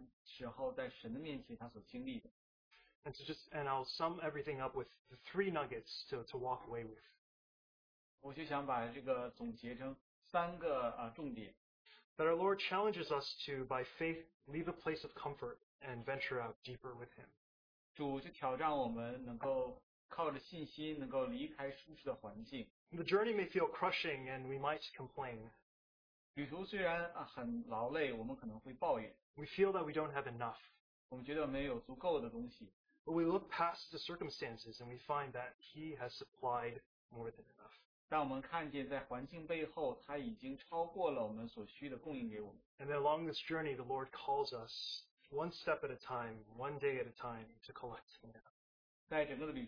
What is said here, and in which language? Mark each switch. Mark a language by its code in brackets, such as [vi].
[zh] 我很感恩我们可以沿着摩西的脚步来走，然后能够感受他那时候在神的面前他所经历的。 [en] And so just and I'll sum everything up with the three nuggets to walk away with. [zh] 我就想把这个总结成三个重点。 [en] But our Lord challenges us to by faith leave a place of comfort and venture out deeper with him. [zh] 主就挑战我们能够靠着信心能够离开舒适的环境。 [en] The journey may feel crushing, and we might complain. [zh] 旅途虽然很劳累，我们可能会抱怨。 [en] We feel that we don't have enough. [zh] 我们觉得没有足够的东西。 [en] But we look past the circumstances, and we find that He has supplied more than enough. [zh] 让我们看见在环境背后，他已经超过了我们所需的供应给我们。And [en] then along this journey, the Lord calls us one step at a time, one day at a time, to collect manna.